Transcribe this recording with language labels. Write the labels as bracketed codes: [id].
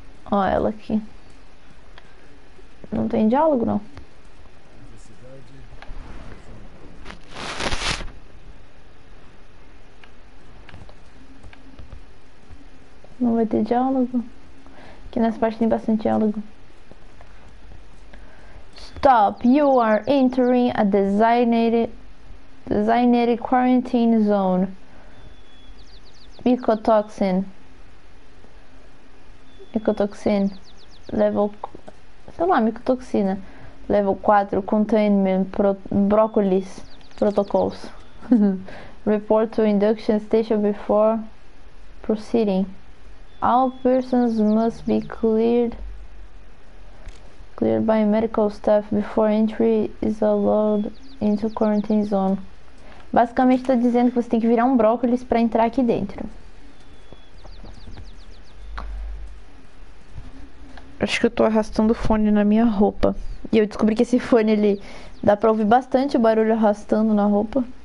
[pt] Ó, ela aqui. Não tem diálogo, não. Não vai ter diálogo. Aqui nessa parte tem bastante diálogo. [en] Stop. You are entering a designated quarantine zone. Mycotoxin. Mycotoxin. Level. [pt] Sei lá, micotoxina. [en] Level 4. Containment. Brócolis. Protocols. Report to induction station before proceeding. All persons must be cleared by medical staff before entry is allowed into quarantine zone. [pt] Basicamente, está dizendo que você tem que virar um brócolis para entrar aqui dentro. Acho que eu tô arrastando fone na minha roupa. E eu descobri que esse fone, ele dá para ouvir bastante o barulho arrastando na roupa.